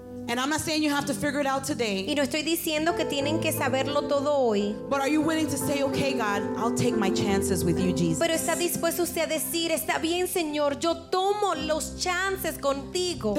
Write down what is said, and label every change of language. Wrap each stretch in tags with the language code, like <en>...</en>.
<en>And I'm not saying you have to figure it out today.</en> <es>Y no estoy diciendo que tienen que saberlo todo hoy.</es> <en>But are you willing to say, okay, God, I'll take my chances with you, Jesus?</en> <es>Pero está dispuesto usted a decir, está bien, Señor, yo tomo los chances contigo.</es>